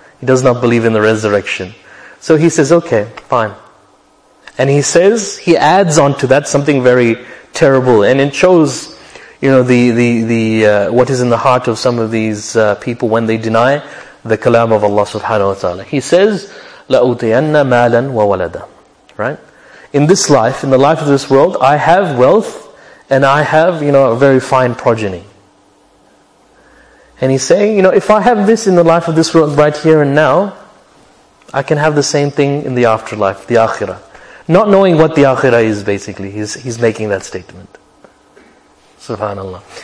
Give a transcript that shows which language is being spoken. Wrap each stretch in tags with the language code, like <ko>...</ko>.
<en>He does not believe in the resurrection. So he says, okay, fine. And he says, he adds on to that something very terrible. And it shows, you know, what is in the heart of some of these people when they deny the kalam of Allah subhanahu wa ta'ala. He says,</en> <ar>لَأُوْتِيَنَّ مَالًا وَوَلَدًا.</ar> <en>Right? In this life, in the life of this world, I have wealth and I have, you know, a very fine progeny. And he's saying, you know, if I have this in the life of this world right here and now, I can have the same thing in the afterlife, the akhirah. Not knowing what the akhirah is, basically. He's making that statement. SubhanAllah.</en>